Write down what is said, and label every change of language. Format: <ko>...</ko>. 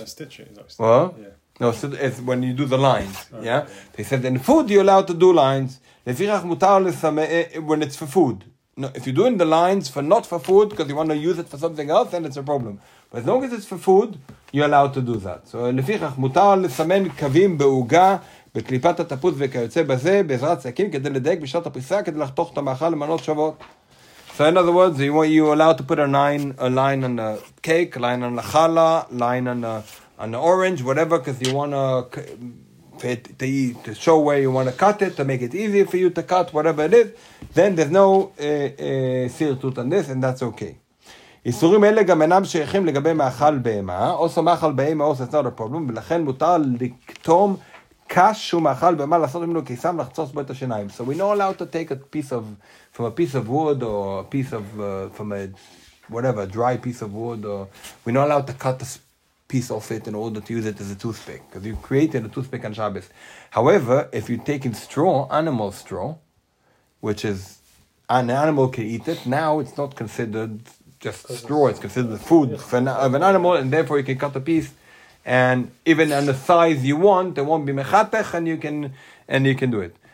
<en>Stitching. What? Yeah. No, it's when you do the lines, yeah? They said, in food, you're allowed to do lines.</en> <he>לפיכך מותר לסמא,</he> <en>when it's for food. No, if you're doing the lines for not for food, because you want to use it for something else, then it's a problem. But as long as it's for food, you're allowed to do that.</en> <he>So, לפיכך מותר לסמן קווים בעוגה, בקליפת התפוס וכיוצא בזה, בעזרת סכין, כדי לדייק בשעת הפריסה, כדי לחתוך את המאכל למנות שוות.</he> <en>So in other words, you're allowed to put a line on the cake, a line on the challah, line on the orange, whatever, because you want to show where you want to cut it, to make it easier for you to cut, whatever it is. Then there's no sirtut on this, and that's okay.</en> <he>איסורים אלה גם אינם שייכים לגבי מאכל בהמה, או סומך על בהמה, או סצר לפרובלום, ולכן מותר לקטום קש שהוא מאכל בהמה, לעשות ממנו כיסם, לחצוץ בו את השיניים.</he> <en>So we're not allowed to take a piece of, from a piece of wood, or a piece of, from a, whatever, a dry piece of wood, or we're not allowed to cut a piece off it in order to use it as a toothpick, because you created a toothpick on Shabbos. However, if you're taking straw, animal straw, which is, an animal can eat it, now it's not considered just straw, it's considered the food of an animal, and therefore you can cut a piece, and even on the size you want, there won't be mechatech, and you can do it.</en>